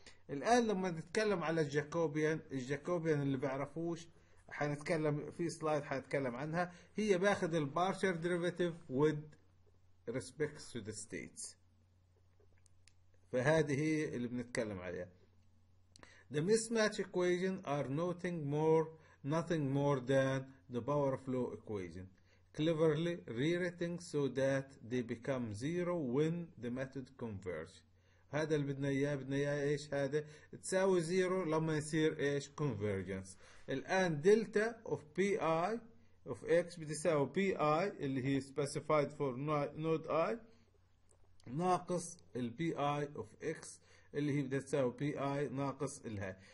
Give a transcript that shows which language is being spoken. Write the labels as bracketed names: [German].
[Arabic] الان لما نتكلم على الجاكوبيان اللي بعرفوش حنتكلم في سلايد حنتكلم عنها، هي باخذ البارشر ديريفاتيف [English] with respect to the states، [Arabic] فهذه هي اللي بنتكلم عليها. [English] The mismatch equation are nothing more than the power flow equation cleverly rewriting so that they become zero when the method converge. [Arabic] هذا اللي بدنا اياه ايش؟ هذا تساوي zero لما يصير ايش؟ convergence. الان delta of pi of x بتساوي pi اللي هي specified for node i ناقص ال pi of x اللي هي بدها تساوي pi ناقص الها.